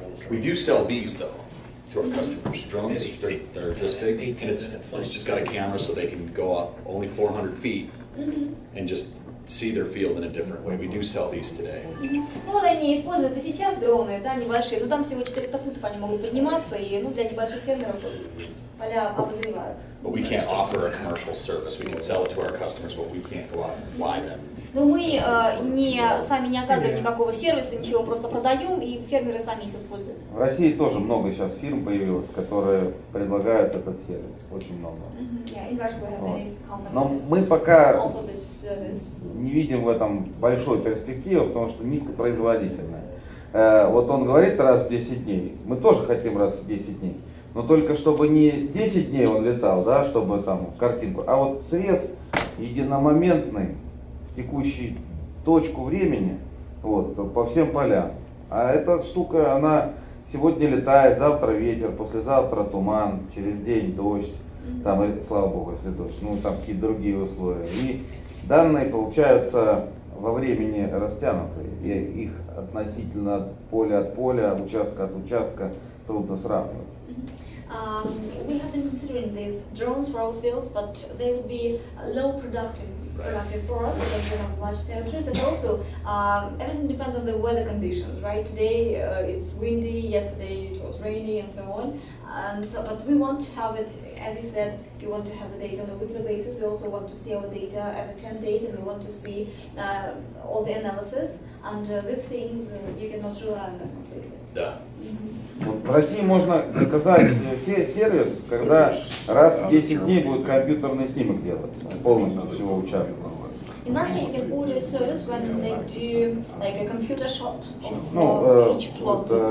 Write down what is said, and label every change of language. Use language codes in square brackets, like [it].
[en] We do sell these though to our customers. Drones, they're this big, and it's just got a camera, so they can go up only 400 feet and just see their field in a different way. We do sell these today. [ru] Ну, вот они используют и сейчас дроны, да, небольшие. Но там всего 400 футов они могут подниматься, и, ну, для небольших фермеров поля обозревают. [en] But we can't offer a commercial service. We can sell it to our customers, but we can't go out and fly them. [ru] Ну, мы сами не оказываем никакого сервиса, ничего, просто продаем, и фермеры сами их используют. В России тоже много сейчас фирм появилось, которые предлагают этот сервис, очень много. Mm-hmm. Yeah, вот. Но мы пока не видим в этом большой перспективы, потому что низкопроизводительная. Вот он говорит раз в 10 дней, мы тоже хотим раз в 10 дней, но только чтобы не 10 дней он летал, да, чтобы там картинку, а вот срез единомоментный, текущую точку времени, вот, по всем полям. А эта штука, она Сегодня летает, завтра ветер, послезавтра туман, через день дождь. Там, слава богу, если дождь, ну, там какие-то другие условия. И данные получаются во времени растянутые. И их относительно поля от поля, участка от участка трудно сравнивать. [en] We have been considering these drones for our fields, but they would be low productive for us because we have large territories. And also, everything depends on the weather conditions, right? Today it's windy, yesterday it was rainy, and so on. And so, but we want to have it, as you said, we want to have the data on a weekly basis. We also want to see our data every 10 days, and we want to see all the analysis. And these things you cannot rely on them completely. Yeah. [ru] Вот в России можно заказать сервис, когда раз в 10 дней будет компьютерный снимок делаться полностью всего участка. [en] In Russia, you can order a service when they do like a computer shot of each plot.